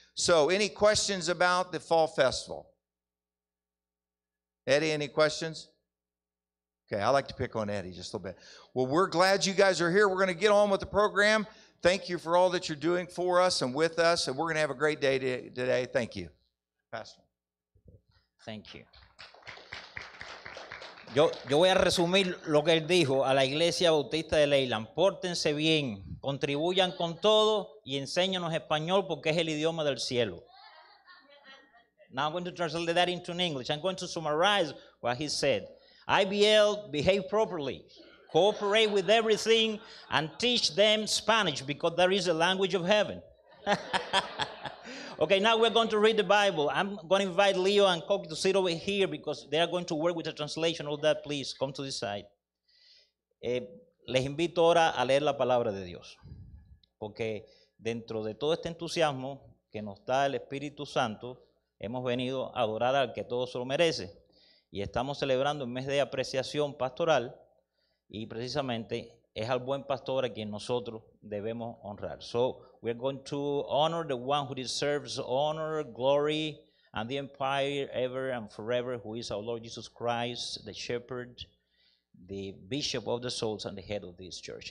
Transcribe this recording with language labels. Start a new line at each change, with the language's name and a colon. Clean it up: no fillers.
English: So any questions about the fall festival? Eddie, any questions? Okay, I like to pick on Eddie just a little bit. Well, we're glad you guys are here. We're going to get on with the program. Thank you for all that you're doing for us and with us, and we're going to have a great day today. Thank you, Pastor. Thank you.
Spanish: Yo voy a resumir lo que él dijo a la Iglesia Bautista de Leyland. Pórtense bien, contribuyan con todo y enséñanos español porque es el idioma del cielo.
English: Now I'm going to translate that into English. I'm going to summarize what he said. IBL, behave properly. Cooperate with everything and teach them Spanish because there is a language of heaven. Okay, now we're going to read the Bible. I'm going to invite Leo and Coke to sit over here because they are going to work with the translation. All that, please, come to this side.
Spanish: Les invito ahora a leer la palabra de Dios. Porque dentro de todo este entusiasmo que nos da el Espíritu Santo, hemos venido a adorar al que todo se lo merece. Y estamos celebrando un mes de apreciación pastoral. Y precisamente es al buen pastor a quien nosotros debemos honrar.
English: So, we're going to honor the one who deserves honor, glory, and the empire ever and forever, who is our Lord Jesus Christ, the shepherd, the bishop of the souls, and the head of this church.